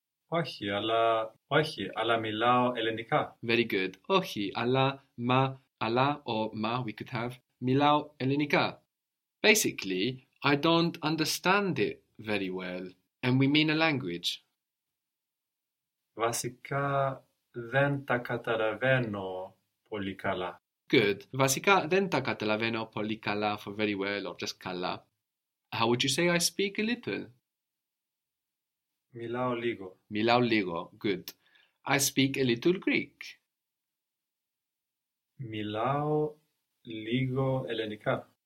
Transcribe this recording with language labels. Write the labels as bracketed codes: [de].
[el] Όχι, αλλά μιλάω ελληνικά. [en] Very good. [el] Όχι, αλλά, μα, αλλά, [en] or [el] μα, [en] we could have, [el] μιλάω ελληνικά. [en] Basically, I don't understand it very well, and we mean a language. [el] Βασικά, δεν τα καταλαβαίνω πολύ καλά. [en] Good. [el] Βασικά, δεν τα καταλαβαίνω πολύ καλά, [en] for very well, or just [el] καλά. [en] How would you say I speak a little? [el] Μιλάω λίγο. Μιλάω λίγο. [en] Good. I speak a little Greek. [el] Μιλάω λίγο ελληνικά.